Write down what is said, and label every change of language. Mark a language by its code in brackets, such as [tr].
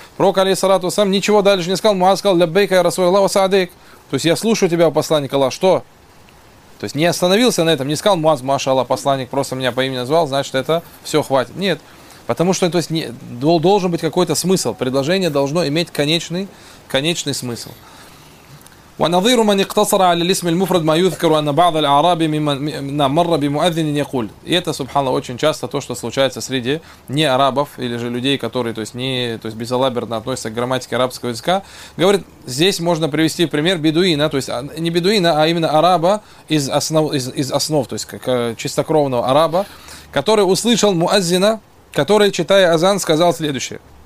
[ru] Пророк алейхиссалям ничего дальше не сказал, Муаз сказал, [ar] «Лаббейка, я расуллаллах ва саадейк». [ru] То есть я слушаю тебя, посланник Аллах, что? То есть не остановился на этом, не сказал, Муаз, машалла, посланник просто меня по имени назвал, значит, это все, хватит. Нет. Потому что то есть, не, должен быть какой-то смысл, предложение должно иметь конечный смысл. [ar] ونظير من اقتصر على الاسم المفرد ما يذكر أن بعض الأعراب من مر بمؤذن يقول. [ru] И это, субханно, очень часто то, что случается среди неарабов или же людей, которые, то есть не, то есть безалаберно относятся к грамматике арабского языка. Говорит, здесь можно привести пример бедуина, то есть не бедуина, а именно араба из основ, то есть как чистокровного араба, который услышал муэззина, который, читая азан, сказал следующее.